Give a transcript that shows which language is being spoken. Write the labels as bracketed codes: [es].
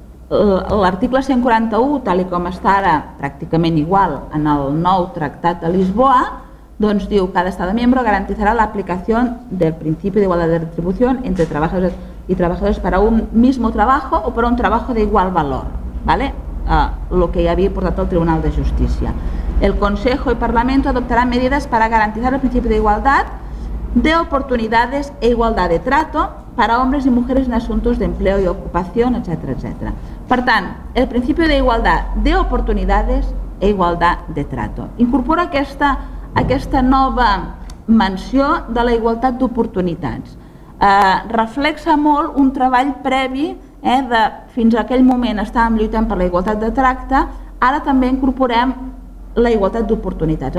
[ca] L'article 141, tal com està ara pràcticament igual en el nou Tractat de Lisboa, doncs diu que cada estat membre garantirà l'aplicació del principi d'igualtat de retribució entre treballadors i treballadores per a [es] un mismo trabajo [ca] o per a [es] un trabajo de igual valor. ¿Vale? Lo que ya había portado el Tribunal de Justicia. El Consejo y Parlamento adoptarán medidas para garantizar el principio de igualdad de oportunidades e igualdad de trato para hombres y mujeres en asuntos de empleo y ocupación, etcétera, etcétera. [ca] Per tant, [es] el principio de igualdad de oportunidades e igualdad de trato. [ca] Incorpora aquesta nova menció de la igualtat d'oportunitats. Reflexa molt un treball previ de fins a aquell moment estàvem lluitant per la igualtat de tracte, ara també incorporem la igualtat d'oportunitats.